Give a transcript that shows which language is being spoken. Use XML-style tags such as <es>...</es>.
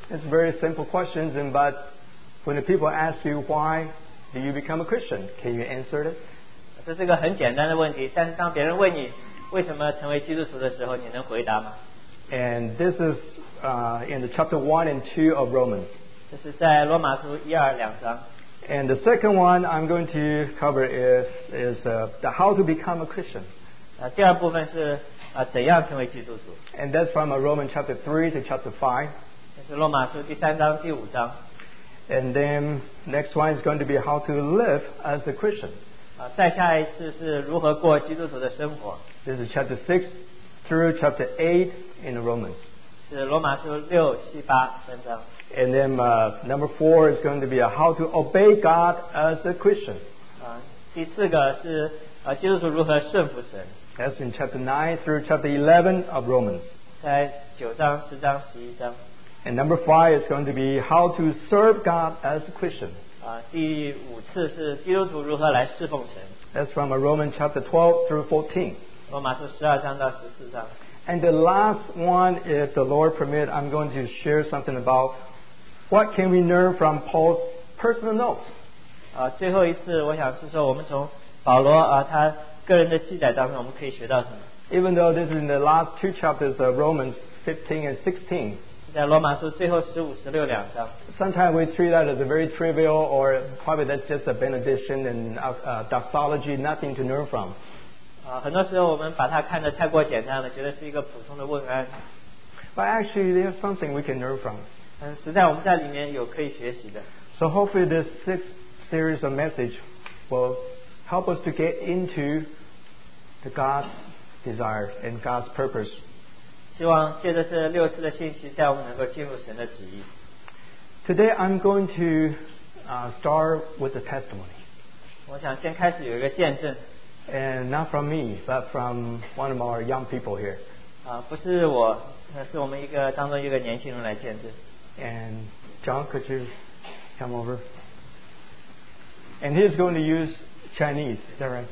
<en>It's very simple questions but when the people ask you why do you become a Christian can you answer it?</en> <zh>这是一个很简单的问题但是当别人问你为什么成为基督徒的时候你能回答吗</zh> <en>And this is in the chapter 1 and 2 of Romans</en> <zh>这是在罗马书一二两章</zh> <en>And the second one I'm going to cover is how to become a Christian</en> <zh>第二部分是怎样成为基督徒</zh> <en>And that's from Romans chapter 3 to chapter 5</en> <zh>这是罗马书第三章第五章</zh> <en>And then next one is going to be how to live as a Christian</en> <zh>再下一次是如何过基督徒的生活</zh> <en>This is chapter 6 through chapter 8 in Romans</en> <zh>是罗马书六七八三章</zh> <en>And then number 4 is going to be how to obey God as a Christian</en> <zh>第四个是基督徒如何顺服神</zh> <en>That's in chapter 9 through chapter 11 of Romans.</en> <zh>在9章、10章、11章。</zh> <en>And number 5 is going to be how to serve God as a Christian.</en> <zh>第五次是基督徒如何来侍奉神。</zh> <en>That's from Romans chapter 12 through 14.</en> <zh>罗马书12章到14章。</zh> <en>And the last one, if the Lord permit, I'm going to share something about what can we learn from Paul's personal notes.</en> <zh>最后一次我想是说我们从保罗他个人的记载当中我们可以学到什么</zh> <en>Even though this is in the last two chapters of Romans 15 and 16</en> <zh>在罗马书最后15、16两章</zh> <en>Sometimes we treat that as a very trivial or probably that's just a benediction and doxology nothing to learn from</en> <zh>很多时候我们把它看得太过简单了觉得是一个普通的问安</zh> <en>But actually there's something we can learn from</en> <zh>实在我们在里面有可以学习的</zh> <en>So hopefully this sixth series of message willHelp us to get into the God's desire and God's purpose.</en> <zh>希望借着这六次的信息，带我们能够进入神的旨意。</zh> <en>Today I'm going to start with a testimony.</en> <zh>我想先开始有一个见证。</zh> <en>And not from me, but from one of our young people here.</en> <zh>啊，不是我，是我们一个当中一个年轻人来见证。</zh> <en>And John, could you come over? And he's going to use Chinese, is that right?</en>